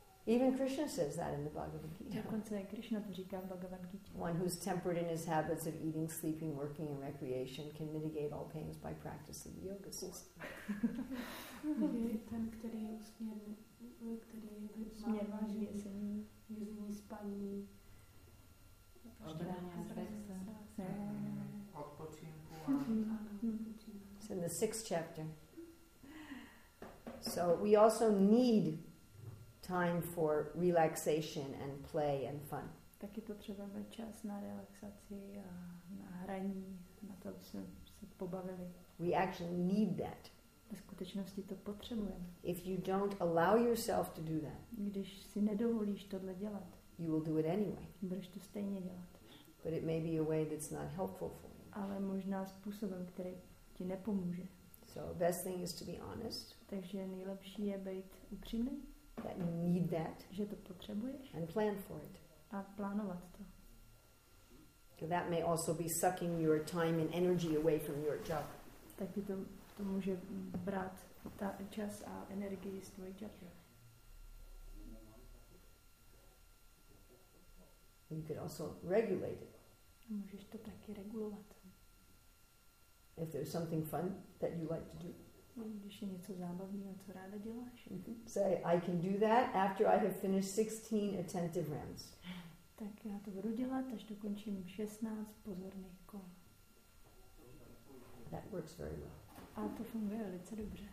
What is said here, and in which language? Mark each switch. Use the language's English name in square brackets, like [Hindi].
[English] Even Krishna says that in the Bhagavad Gita. [Czech] Dokonce Krishna to říká v Bhagavad Gita. [English] One who's temperate in his habits of eating, sleeping, working, and recreation can mitigate all pains by practicing the yoga system. [Czech] Ten, který je usměrný, který má vážný jesení, jezení, spaní, odbrání a zvěstí. Odpočinku. [English] It's in the sixth chapter. So we also need time for relaxation and play and fun. [Czech] Taky potřebujeme čas na relaxaci a na hraní, na to, aby jsme se pobavili. [English] We actually need that. [Czech] Ve skutečnosti to potřebujeme. [English] If you don't allow yourself to do that, [Czech] když si nedovolíš tohle dělat, [English] you will do it anyway. [Czech] Budeš to stejně dělat. [English] But it may be a way that's not helpful for you. [Czech] Ale možná způsobem, který ti nepomůže. [English] So the best thing is to be honest. [Czech] Takže nejlepší je být upřímný. [English] That you need that, [Czech] že to potřebuješ, [English] and plan for it. [Czech] A plánovat to. [English] That may also be sucking your time and energy away from your job. [Czech] Tak by to může brát ta čas a energii z tvojí [English] job. You could also regulate it. [Czech] A můžeš to taky regulovat. [English] If there's something fun that you like to do. [Czech] Když je něco zábavného, co ráda děláš. [English] Say, I can do that after I have finished 16 attentive rounds. [Czech] Tak já to budu dělat, až dokončím 16 pozorných kol. [English] That works very well. [Czech] A to funguje velice dobře.